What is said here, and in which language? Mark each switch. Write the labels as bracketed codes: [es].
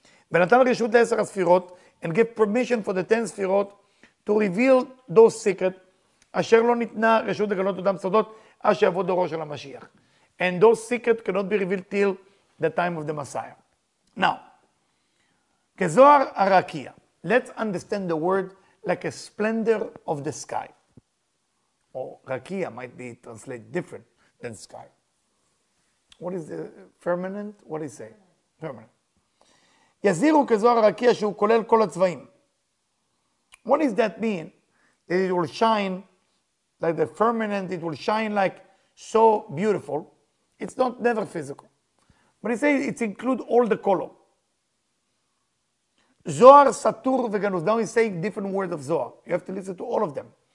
[he] ונתן רשות לעשר הספירות, [en] and give permission for the 10 ספירות, [he] to reveal those secrets, אשר לא ניתנה רשות לגלות אותם סודות, אשר יבוא דורו של המשיח. [en] And those secrets cannot be revealed till the time of the Messiah. Now, [he] כזוהר הרקיע, [en] let's understand the word like a splendor of the sky. Or רקיע might be translated different than sky. What is the firmament? What is it? Firmament. [he] יזירו כזוהר הרקיע שהוא כולל כל הצבעים. [en] What does that mean? That it will shine like the firmament, it will shine like so beautiful. It's not never physical. But he says it includes all the color. [he] Zohar, Satur, Veganuz. [en] Now he's saying different words of Zohar. You have to listen to all of them.